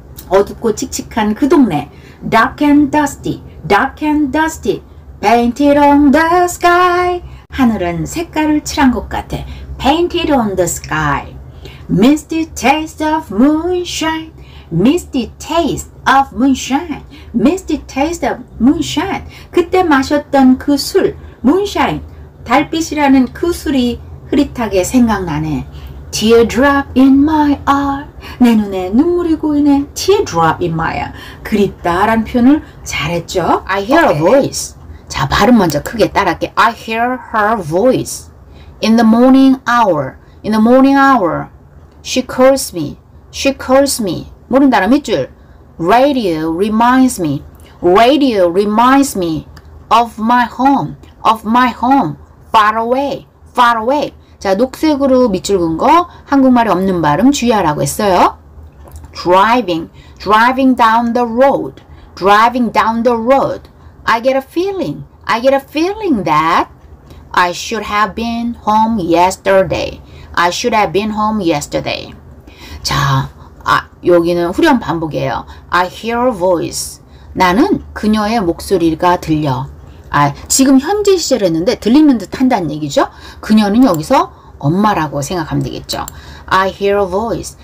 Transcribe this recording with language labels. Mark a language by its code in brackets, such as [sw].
[ko] 어둡고 칙칙한 그 동네, [en] dark and dusty, dark and dusty, painted on the sky. [ko] 하늘은 색깔을 칠한 것 같아, [en] painted on the sky. Misty taste of moonshine, misty taste of moonshine, misty taste of moonshine. [ko] 그때 마셨던 그 술, moonshine. 달빛이라는 그 술이 흐릿하게 생각나네. [en] Teardrop in my eye. [ko] 내 눈에 눈물이 고이네. [en] Teardrop in my eye. [ko] 그립다 라는 표현을 잘했죠. [en] I hear a voice. [ko] 자, 발음 먼저 크게 따라할게. [en] I hear her voice. In the morning hour. In the morning hour. She calls me. She calls me. [ko] 모른다 라는 밑줄. [en] Radio reminds me. Radio reminds me of my home. Of my home. Far away, far away. [ko] 자, 녹색으로 밑줄 긋은 거 한국말이 없는 발음 주의하라고 했어요. [en] Driving, driving down the road, driving down the road. I get a feeling that I should have been home yesterday. I should have been home yesterday. [ko] 자, 여기는 후렴 반복이에요. [en] I hear a voice. [ko] 나는 그녀의 목소리가 들려. 아, 지금 현재 시제를 했는데 들리는 듯 한다는 얘기죠. 그녀는 여기서 엄마라고 생각하면 되겠죠. [en] I hear a voice.